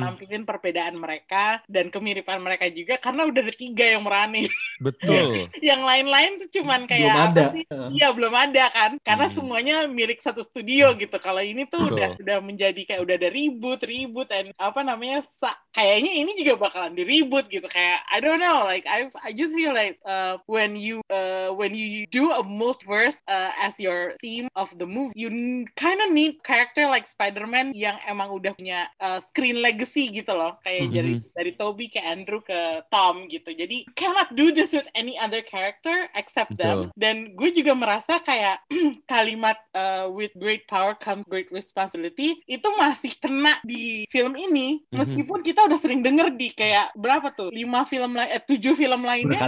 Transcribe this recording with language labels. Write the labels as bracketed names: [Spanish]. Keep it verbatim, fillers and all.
[Indonesian] nampilin perbedaan mereka dan kemiripan mereka juga, karena udah ada tiga yang merani. Betul. Yang lain-lain tuh cuman kayak belum ada. Iya, belum ada kan. Karena mm. semuanya milik satu studio gitu. Kalau ini tuh Betul. udah udah menjadi kayak udah ada ribut-ribut dan apa namanya sa- kayaknya ini juga bakalan diribut gitu. [English] Kayak I don't know, like I I just feel like uh, when you uh, when you do a multiverse uh, as your theme of the movie, you kind of need character like Spider-Man [Indonesian] yang emang udah punya [English] uh, screen legacy gitu loh. [Indonesian] Kayak mm-hmm. dari dari Toby ke Andrew ke Tom gitu. [English] Jadi cannot do this with any other character except them. [Indonesian] Betul. Dan gue juga merasa kayak kalimat uh, [English] with great power comes great responsibility [Indonesian] itu masih kena di film ini, meskipun mm-hmm. kita udah sering denger di kayak berapa tuh lima film lain eh, tujuh film lainnya